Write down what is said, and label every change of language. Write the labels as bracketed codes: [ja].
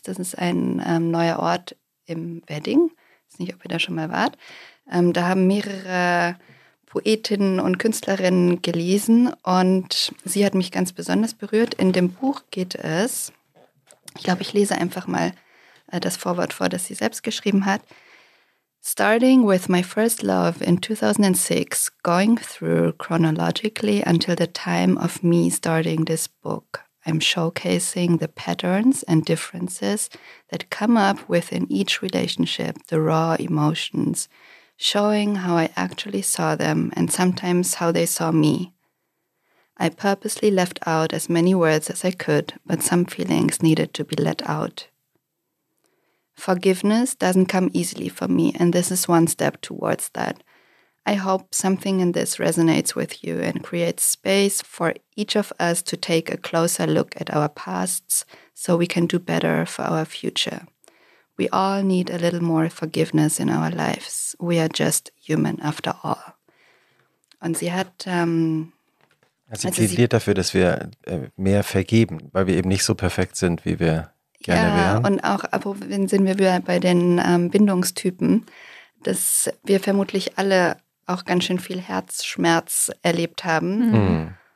[de] Das ist ein neuer Ort im Wedding. Ich weiß nicht, ob ihr da schon mal wart. Da haben mehrere Poetinnen und Künstlerinnen gelesen. Und sie hat mich ganz besonders berührt. In dem Buch geht es, ich glaube, ich lese einfach mal das Vorwort vor, das sie selbst geschrieben hat. [en] Starting with my first love in 2006, going through chronologically until the time of me starting this book, I'm showcasing the patterns and differences that come up within each relationship, the raw emotions, showing how I actually saw them and sometimes how they saw me. I purposely left out as many words as I could, but some feelings needed to be let out. Forgiveness doesn't come easily for me, and this is one step towards that. I hope something in this resonates with you and creates space for each of us to take a closer look at our pasts so we can do better for our future. We all need a little more forgiveness in our lives. We are just human after all. [de] Und sie hat Sie plädiert dafür, dass wir mehr vergeben, weil wir eben nicht so perfekt sind, wie wir gerne wären. Ja, und auch, wenn sind wir wieder bei den Bindungstypen, dass wir vermutlich alle auch ganz schön viel Herzschmerz erlebt haben. Mhm.